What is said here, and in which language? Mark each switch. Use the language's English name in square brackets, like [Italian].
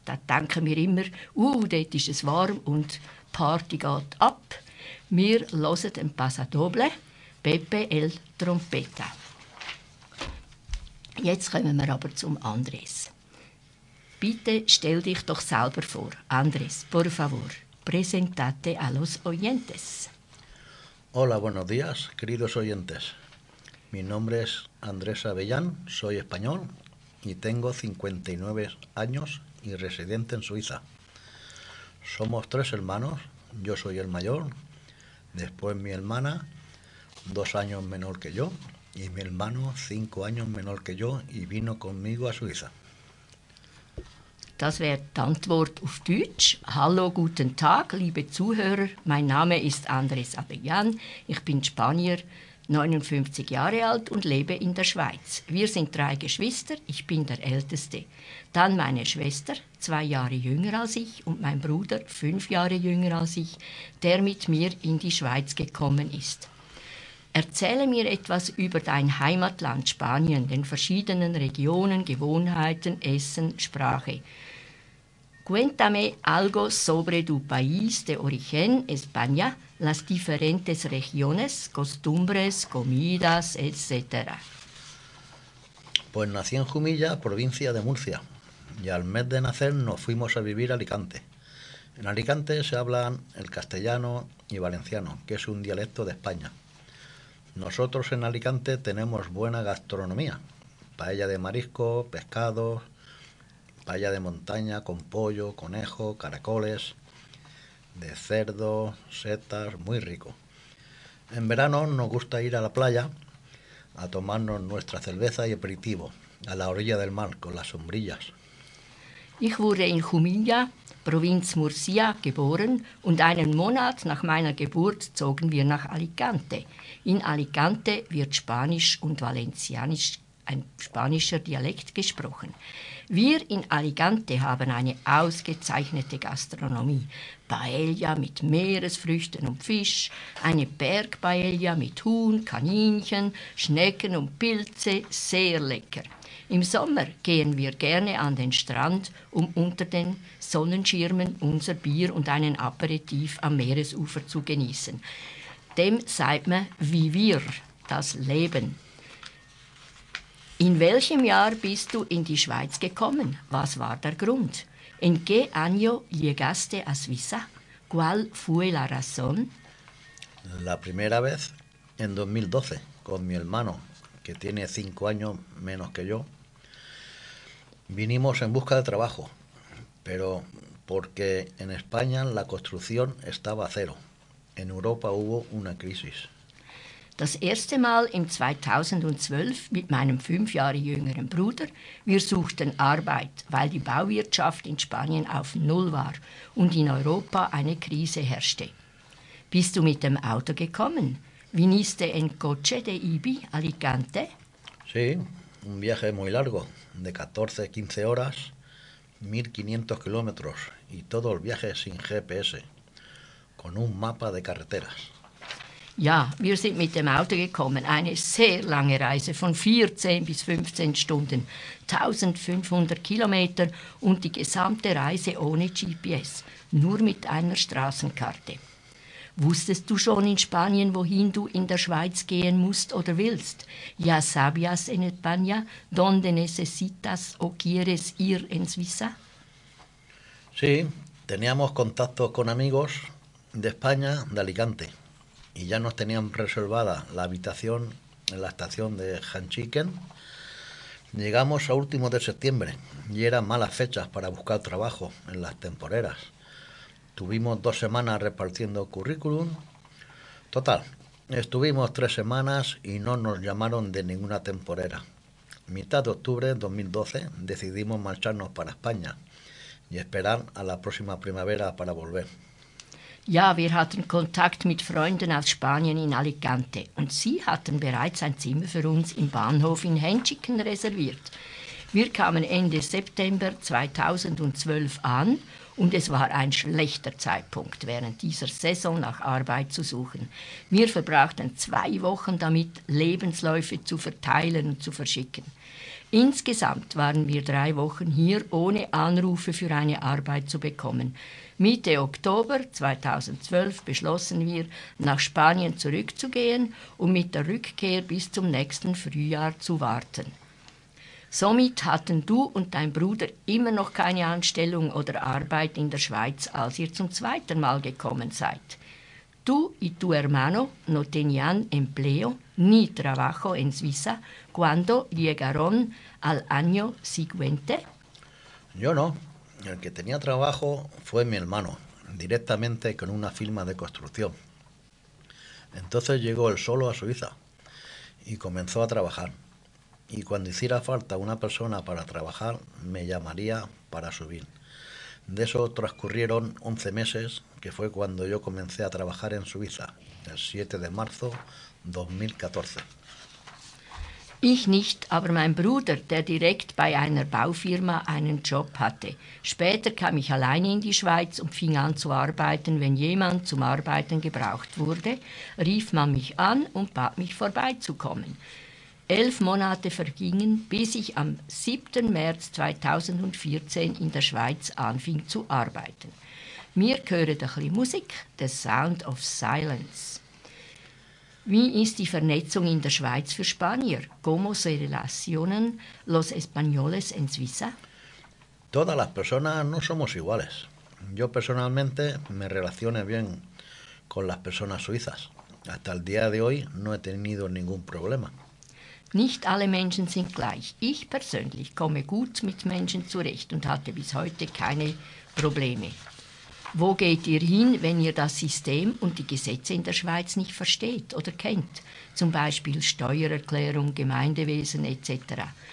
[German] Da denken wir immer, dort ist es warm und die Party geht ab. Wir hören den Pasadoble, Pepe el Trompeta. Jetzt kommen wir aber zum Andrés. Bitte stell dich doch selber vor. [Spanish] Andrés, por favor, presentate a los oyentes. Hola, buenos días, queridos oyentes. Mi nombre es Andrés Abellán, soy español y tengo 59 años y residente en Suiza. Somos 3 hermanos, yo soy el mayor, después mi hermana, 2 años menor que yo, y mi hermano, 5 años menor que yo, y vino conmigo a Suiza. [German] Das wäre die Antwort auf Deutsch. Hallo, guten Tag, liebe Zuhörer, mein Name ist Andrés Abellán, ich bin Spanier, 59 Jahre alt und lebe in der Schweiz. Wir sind 3 Geschwister, ich bin der Älteste. Dann meine Schwester, 2 Jahre jünger als ich, und mein Bruder, 5 Jahre jünger als ich, der mit mir in die Schweiz gekommen ist. Erzähle mir etwas über dein Heimatland Spanien, den verschiedenen Regionen, Gewohnheiten, Essen, Sprache. [Spanish] Cuéntame algo sobre tu país de origen, España, las diferentes regiones, costumbres, comidas, etc. Pues nací en Jumilla, provincia de Murcia, y al mes de nacer nos fuimos a vivir a Alicante. En Alicante se hablan el castellano y valenciano, que es un dialecto de España. Nosotros en Alicante tenemos buena gastronomía, paella de marisco, pescado, paella de montaña con pollo, conejo, caracoles, de cerdo, setas, muy rico. En verano nos gusta ir a la playa a tomarnos nuestra cerveza y aperitivo a la orilla del mar con las sombrillas. [German] Ich wurde in Jumilla, Provinz Murcia, geboren und einen Monat nach meiner Geburt zogen wir nach Alicante. In Alicante wird Spanisch und Valencianisch, ein spanischer Dialekt, gesprochen. Wir in Alicante haben eine ausgezeichnete Gastronomie. Paella mit Meeresfrüchten und Fisch, eine Bergpaella mit Huhn, Kaninchen, Schnecken und Pilze, sehr lecker. Im Sommer gehen wir gerne an den Strand, um unter den Sonnenschirmen unser Bier und einen Aperitif am Meeresufer zu genießen. Dem sagt man, wie wir das Leben. In welchem Jahr bist du in die Schweiz gekommen? Was war der Grund? [Spanish] ¿En qué año llegaste a Suiza? ¿Cuál fue la razón? La primera vez en 2012 con mi hermano, que tiene 5 años menos que yo. Vinimos en busca de trabajo, pero porque en España la construcción estaba a cero. En Europa hubo una crisis. [German] Das erste Mal im 2012 mit meinem 5 Jahre jüngeren Bruder. Wir suchten Arbeit, weil die Bauwirtschaft in Spanien auf Null war und in Europa eine Krise herrschte. Bist du mit dem Auto gekommen? [Spanish] ¿Viniste en coche de Ibi, Alicante? Sí, un viaje muy largo, de 14-15 horas, 1.500 kilómetros y todo el viaje sin GPS. con un mapa de carreteras. [German] Ja, wir sind mit dem Auto gekommen. Eine sehr lange Reise von 14 bis 15 Stunden, 1500 Kilometer und die gesamte Reise ohne GPS, nur mit einer Straßenkarte. Wusstest du schon in Spanien, wohin du in der Schweiz gehen musst oder willst? [Spanish] Ja sabías en España dónde necesitas o quieres ir en Suiza? Sí, teníamos contactos con amigos de España, de Alicante. Y ya nos tenían reservada la habitación en la estación de Hanchiken. Llegamos a último de septiembre y eran malas fechas para buscar trabajo en las temporeras. Tuvimos 2 semanas repartiendo currículum. Total, estuvimos 3 semanas y no nos llamaron de ninguna temporera. Mitad de octubre de 2012 decidimos marcharnos para España y esperar a la próxima primavera para volver. [German] Ja, wir hatten Kontakt mit Freunden aus Spanien in Alicante und sie hatten bereits ein Zimmer für uns im Bahnhof in Henschiken reserviert. Wir kamen Ende September 2012 an und es war ein schlechter Zeitpunkt, während dieser Saison nach Arbeit zu suchen. Wir verbrachten 2 Wochen damit, Lebensläufe zu verteilen und zu verschicken. Insgesamt waren wir 3 Wochen hier, ohne Anrufe für eine Arbeit zu bekommen. Mitte Oktober 2012 beschlossen wir, nach Spanien zurückzugehen und mit der Rückkehr bis zum nächsten Frühjahr zu warten. Somit hatten du und dein Bruder immer noch keine Anstellung oder Arbeit in der Schweiz, als ihr zum zweiten Mal gekommen seid. [Spanish] Tú y tu hermano no tenían empleo ni trabajo en Suiza cuando llegaron al año siguiente. Yo no. El que tenía trabajo fue mi hermano, directamente con una firma de construcción. Entonces llegó él solo a Suiza y comenzó a trabajar. Y cuando hiciera falta una persona para trabajar, me llamaría para subir. De eso transcurrieron 11 meses, que fue cuando yo comencé a trabajar en Suiza, el 7 de marzo 2014. [German] Ich nicht, aber mein Bruder, der direkt bei einer Baufirma einen Job hatte. Später kam ich alleine in die Schweiz und fing an zu arbeiten. Wenn jemand zum Arbeiten gebraucht wurde, rief man mich an und bat mich vorbeizukommen. 11 Monate vergingen, bis ich am 7. März 2014 in der Schweiz anfing zu arbeiten. Mir gehört ein bisschen Musik, «The Sound of Silence». Wie ist die Vernetzung in der Schweiz für Spanier? [Spanish] ¿Cómo se relacionan los españoles en Suiza? Todas las personas no somos iguales. Yo personalmente me relaciono bien con las personas suizas. Hasta el día de hoy no he tenido ningún problema. [German] Nicht alle Menschen sind gleich. Ich persönlich komme gut mit Menschen zurecht und hatte bis heute keine Probleme. Wo geht ihr hin, wenn ihr das System und die Gesetze in der Schweiz nicht versteht oder kennt? Zum Beispiel Steuererklärung, Gemeindewesen etc.